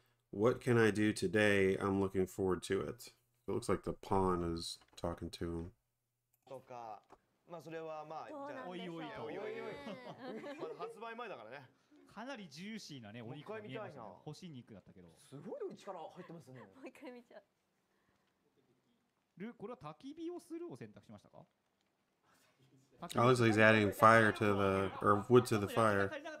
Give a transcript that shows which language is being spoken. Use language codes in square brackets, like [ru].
[en] What can I do today? I'm looking forward to it. It looks like the pawn is talking to him. [ja] かなりジューシーなね、お肉が見えましたね。欲しい肉だったけど。すごい力入ってますね。もう一回見ちゃう。これは焚き火をするを選択しましたか？ [en] It looks like he's adding fire to the, or wood to the fire.